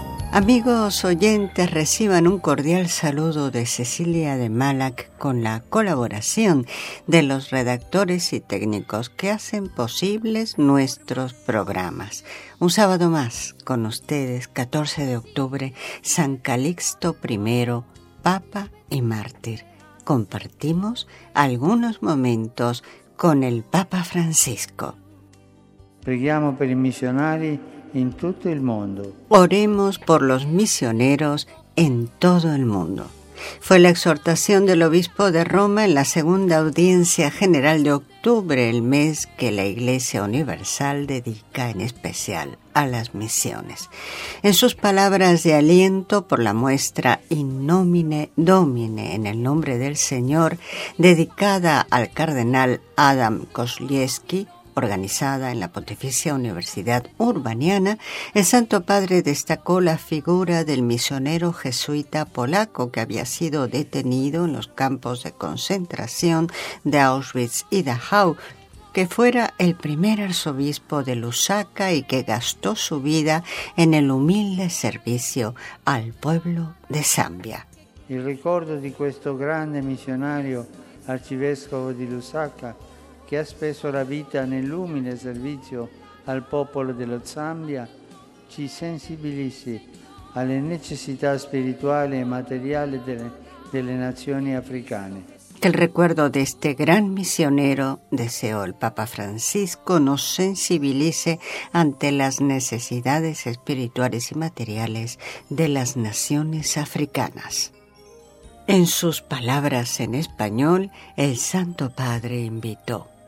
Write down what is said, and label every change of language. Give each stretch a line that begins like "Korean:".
Spanish: Amigos oyentes, reciban un cordial saludo de Cecilia de Malac con la colaboración de los redactores y técnicos que hacen posibles nuestros programas. Un sábado más con ustedes, 14 de octubre, San Calixto I, Papa y Mártir. Compartimos algunos momentos con el Papa Francisco.
Italian: Preghiamo per i missionari in tutto il mondo.
Spanish: Oremos por los misioneros en todo el mundo. Fue la exhortación del obispo de Roma en la segunda audiencia general de octubre, el mes que la Iglesia Universal dedica en especial a las misiones. En sus palabras de aliento por la muestra In nomine Domine, en el nombre del Señor, dedicada al cardenal Adam Kosciuszko, organizada en la Pontificia Universidad Urbaniana, el Santo Padre destacó la figura del misionero jesuita polaco que había sido detenido en los campos de concentración de Auschwitz y Dachau, que fuera el primer arzobispo de Lusaka y que gastó su vida en el humilde servicio al pueblo de Zambia. El recuerdo de este
Italian: grande misionario, arcivescovo de Lusaka, che ha speso la vita nell'umile servizio al popolo dello Zambia, ci sensibilizzi alle necessità spirituali e materiali delle nazioni africane.
Spanish: Que el recuerdo de este gran misionero, deseó el Papa Francisco, nos sensibilice ante las necesidades espirituales y materiales de las naciones africanas. En sus palabras en español, el Santo Padre invitó: